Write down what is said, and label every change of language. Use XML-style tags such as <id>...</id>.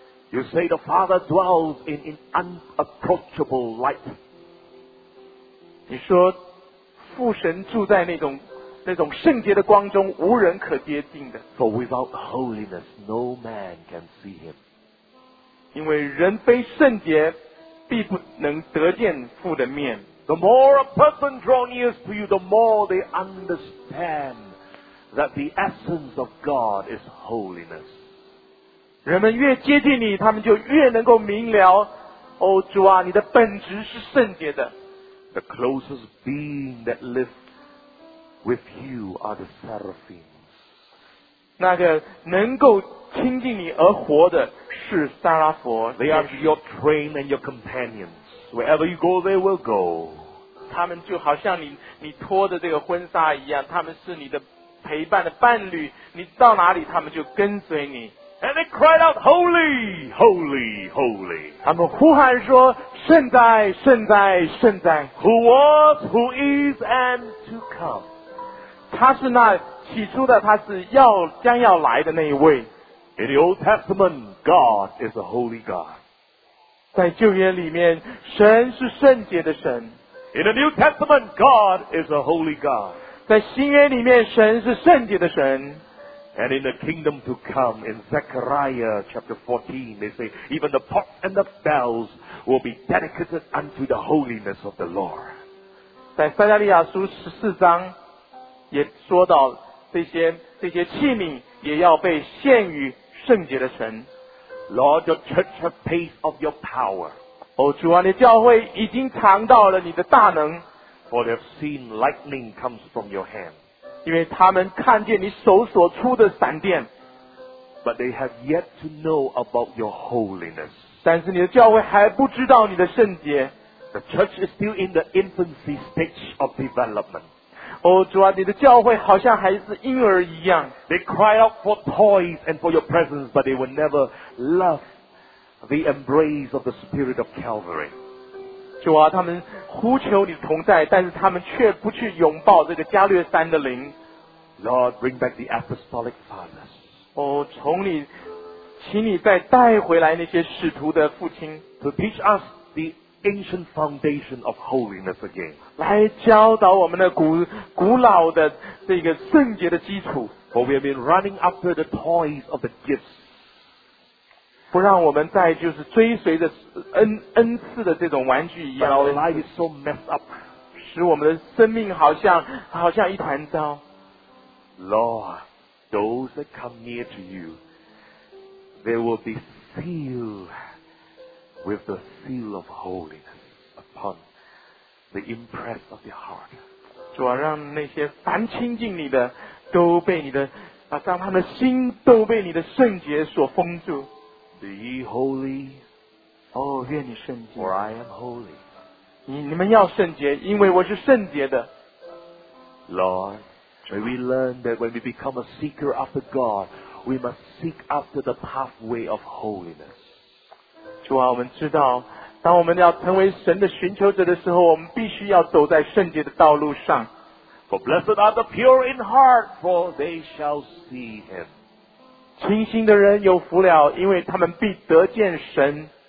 <en>You say the Father dwells in unapproachable light.</en> <zh>你说父神住在那种圣洁的光中，无人可接近的。</zh> <en>For without holiness, no man can see him.</en> <zh>因为人非圣洁。必不能得见父的面。</zh> <en>The more a person draws near to you, the more they understand that the essence of God is holiness.</en> <zh>人们越接近你，他们就越能够明了，哦，主啊，你的本质是圣洁的。</zh> <en>The closest being that lives with you are the seraphims.</en> <zh>那个能够亲近你而活的是撒拉佛。</zh> <en>They are your train and your companions. Wherever you go, they will go.</en> <zh>他们就好像你拖的这个婚纱一样，他们是你的陪伴的伴侣，你到哪里他们就跟随你。</zh> <en>And they cried out, Holy, Holy, Holy.</en> <zh>他们呼喊说，圣哉，圣哉，圣哉。</zh> <en>Who was, who is, and to come.</en> <zh>他是那起初的，他是要将要来的那一位。</zh> <en>In the Old Testament, God is a holy God.</en> <zh>在旧约里面，神是圣洁的神。</zh> <en>In the New Testament, God is a holy God.</en> <zh>在新约里面，神是圣洁的神。</zh> <en>And in the kingdom to come, in Zechariah chapter 14, they say, even the pots and the bells will be dedicated unto the holiness of the Lord.</en> <zh>在撒加利亚书十四章也说到这些器皿也要被献于圣洁的神。</zh> <en>Lord, your church has tasted of your power.</en> <zh>哦，主啊，你教会已经尝到了你的大能。</zh> <en>For they have seen lightning comes from your hand.</en> <zh>因为他们看见你手所出的闪电。</zh> <en>But they have yet to know about your holiness.</en> <zh>但是你的教会还不知道你的圣洁。</zh> <en>The church is still in the infancy stage of development.</en> <zh>哦，主啊，你的教会好像还是婴儿一样。</zh> <en>They cry out for toys and for your presence, but they will never love the embrace of the Spirit of Calvary.</en> <zh>主啊，他们呼求你的同在，但是他们却不去拥抱这个加略山的灵。</zh> <en>Lord, bring back the apostolic fathers.</en> <zh>哦，请你再带回来那些使徒的父亲。</zh> <en>To teach us the ancient foundation of holiness again.</en> <zh>来教导我们的古老的这个圣洁的基础。</zh> <en>For we have been running after the toys of the gifts.</en> <zh>不让我们再就是追随着恩赐的这种玩具一样。</zh> <en>But our life is so messed up.</en> <zh>使我们的生命好像一团糟。</zh> <en>Lord, those that come near to you, they will be sealed with the seal of holiness upon the impress of your heart.</en> <zh>主啊，让那些凡亲近你的都被你的啊，让他们的心都被你的圣洁所封住。</zh> <en>Be ye holy.</en> <zh>哦，愿你圣洁。</zh> <en>For I am holy.</en> <zh>你们要圣洁，因为我是圣洁的。</zh> <en>Lord, may we learn that when we become a seeker after God, we must seek after the pathway of holiness.</en> <zh>主啊，我们知道，当我们要成为神的寻求者的时候，我们必须要走在圣洁的道路上。</zh> <en>For blessed are the pure in heart, for they shall see him.</en> <zh>清心的人有福了，因为他们必得见神。</zh>